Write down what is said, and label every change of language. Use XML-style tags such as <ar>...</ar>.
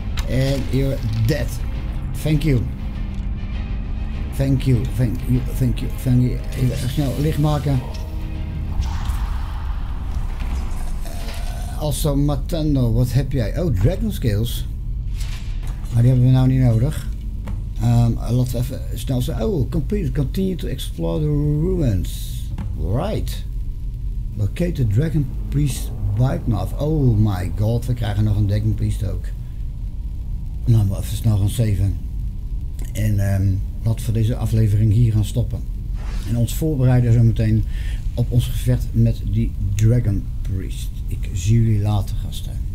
<en>And you're dead. Thank you. Thank you. Thank you. Thank you. Thank you.</en> <nl>Even snel licht maken. Also, Matando, wat heb jij? Oh, Dragon Scales. Maar die hebben we nou niet nodig. Laten we even snel zijn.</nl> <en>Oh, complete. Continue to explore the ruins. Right. Locate the Dragon Priest Bitemouth. Oh my god,</en> <nl>we krijgen nog een Dragon Priest ook. Nou, we even snel gaan saven. En laten we deze aflevering hier gaan stoppen. En ons voorbereiden zometeen op ons gevecht met die Dragon Priest. Ik zie jullie later, gasten.</nl>